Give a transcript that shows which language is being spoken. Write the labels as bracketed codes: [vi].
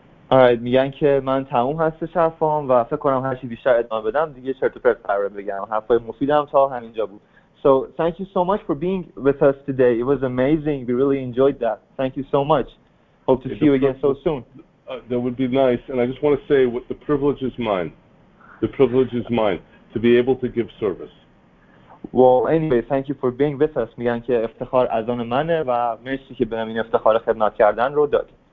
[en] All right, [fa] میگن که من تموم هستش حرفام و فکر کنم هرچی بیشتر ادامه بدم دیگه چرت و پرت قراره بگم. حرفای مفیدم تا همینجا بود. [en] So, thank you so much for being with us today. It was amazing. We really enjoyed that. Thank you so much. Hope to see you again so soon. That would be nice. And I just want to say, the privilege is mine. The privilege is mine to be able to give service. Well, anyway, thank you for being with us. [fa] میگن که افتخار از آن منه و مرسی که به من این افتخار خدمت کردن رو دادی.